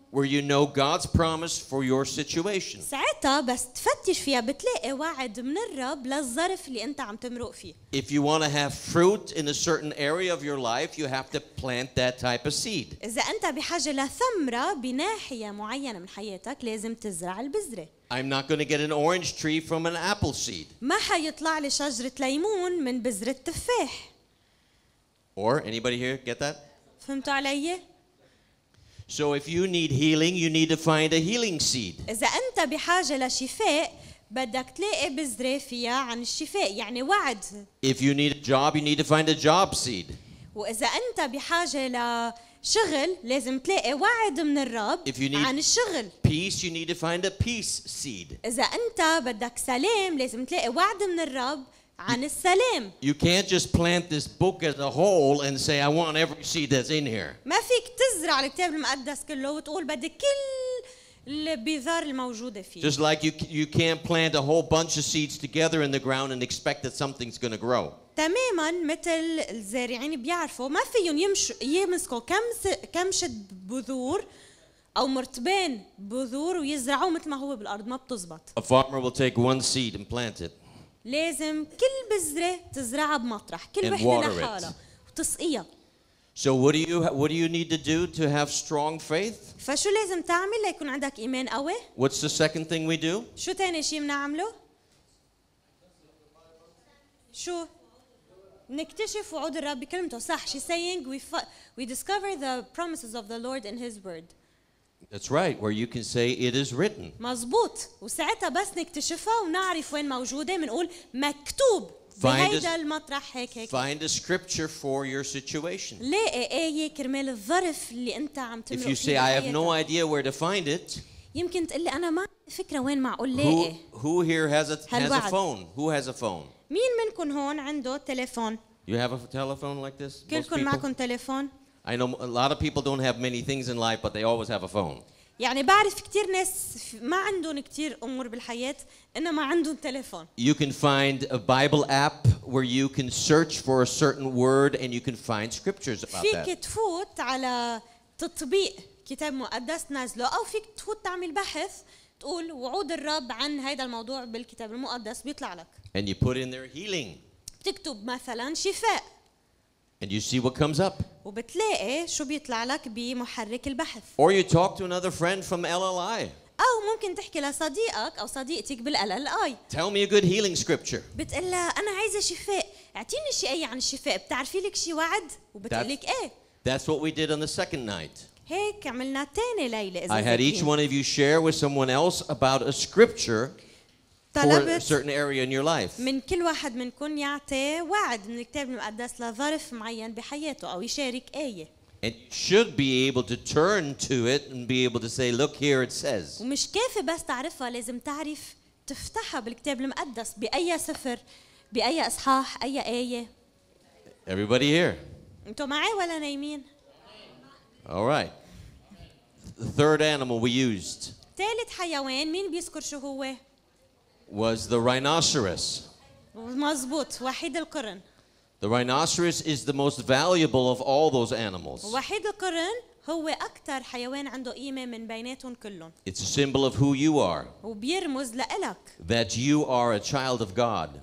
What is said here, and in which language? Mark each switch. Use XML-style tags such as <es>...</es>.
<en>Where you know God's promise for your situation.</en> <ar>ساعتها بس تفتش فيها بتلاقي وعد من الرب للظرف اللي أنت عم تمرق فيه.</ar> <en>If you want to have fruit in a certain area of your life, you have to plant that type of seed.</en> <ar>إذا أنت بحاجة لثمرة بناحية معينة من حياتك لازم تزرع البذرة.</ar> <en>I'm not going to get an orange tree from an apple seed.</en> <ar>ما حيطلع لي شجرة ليمون من بذرة تفاح.</ar> <en>Or anybody here get that?</en> <ar>فهمت علي؟</ar> <en>So if you need healing, you need to find a healing seed.</en> <ar>إذا أنت بحاجة لشفاء بدك تلاقي بذرة فيها عن الشفاء يعني وعد.</ar> <en>If you need a job, you need to find a job seed.</en> <ar>وإذا أنت بحاجة لشغل لازم تلاقي وعد من الرب</ar> <en>if you need</en> <ar>عن الشغل.</ar> <en>Peace, you need to find a peace seed.</en> <ar>إذا أنت بدك سلام لازم تلاقي وعد من الرب عن السلام.</ar> <en>You can't just plant this book as a whole and say, "I want every seed that's in here."</en> <ar>ما فيك تزرع الكتاب المقدس كله وتقول بدي كل البذار الموجودة فيه.</ar> <en>Just like you can't plant a whole bunch of seeds together in the ground and expect that something's going to grow.</en> <ar>تماما مثل الزارعين بيعرفوا ما فيهم يمسكوا كمشة بذور أو مرتبين بذور ويزرعوا مثل ما هو بالأرض ما بتزبط.</ar> <en>A farmer will take one seed and plant it.</en> <ar>لازم كل بذرة تزرعها بمطرح كل وحدة لحالها وتسقيها.</ar> <en>So what do you need to do to have strong faith?</en> <ar>فشو لازم تعمل ليكون عندك إيمان قوي؟</ar> <en>What's the second thing we do?</en> <ar>شو تاني شيء بنعمله؟ شو؟ نكتشف وعود الرب بكلمته صح.</ar> <en>She's saying we discover the promises of the Lord in His word. That's right, where you can say it is written.</en> <ar>مزبوط. وساعتها بس نكتشفها ونعرف وين موجودة منقول مكتوب بهيدا المطرح هيك هيك.</ar> <en>Find a scripture for your situation.</en> <ar>لاقي آية كرمال الظرف اللي أنت عم تمر فيه.</ar> <en>If you say I have no idea where to find it.</en> <ar>يمكن تقول لي أنا ما فكرة وين معقول لاقي.</ar> <en>Who here has a phone? Who has a phone?</en> <ar>مين منكم هون عنده تليفون؟</ar> <en>You have a telephone like this?</en> <ar>كلكم معكم تليفون؟</ar> <en>I know a lot of people don't have many things in life, but they always have a phone.</en> <ar>يعني بعرف كتير ناس ما عندهم كتير أمور بالحياة إنما عندهم تليفون.</ar> <en>You can find a Bible app where you can search for a certain word and you can find scriptures about that.</en> <ar>فيك تفوت على تطبيق كتاب مقدس نازله أو فيك تفوت تعمل بحث. بتقول وعود الرب عن هذا الموضوع بالكتاب المقدس بيطلع لك.</ar> <en>And you put in their healing.</en> <ar>بتكتب مثلا شفاء.</ar> <en>And you see what comes up.</en> <ar>وبتلاقي شو بيطلع لك بمحرك البحث.</ar> <en>Or you talk to another friend from LLI.</en> <ar>أو ممكن تحكي لصديقك أو صديقتك بالLLI.</ar> <en>Tell me a good healing scripture.</en> <ar>بتقول له أنا عايزة شفاء. اعطيني شيء أي عن الشفاء. بتعرفي لك شيء وعد؟ وبتقول لك إيه.</ar> <en>That's what we did on the second night.</en> <ar>هيك عملنا تاني ليلة.</ar> <en>I had each one of you share with someone else about a scripture for a certain area in your life.</en> <ar>من كل واحد منكم يعطي وعد من الكتاب المقدس لظرف معين بحياته أو يشارك آية.</ar> <en>It should be able to turn to it and be able to say, "Look here, it says."</en> <ar>ومش كافي بس تعرفها، لازم تعرف تفتحها بالكتاب المقدس بأي سفر، بأي إصحاح، أي آية.</ar> <en>Everybody here.</en> <ar>انتوا معي ولا نايمين؟</ar> <en>All right. The third animal we used.</en> <ar>ثالث حيوان مين بيذكر شو هو؟</ar> <en>Was the rhinoceros.</en> <ar>مزبوط، وحيد القرن.</ar> <en>The rhinoceros is the most valuable of all those animals.</en> <ar>وحيد القرن هو أكثر حيوان عنده قيمة من بيناتهم كلهم.</ar> <en>It's a symbol of who you are.</en> <ar>وبيرمز لإلك.</ar> <en>That you are a child of God.</en>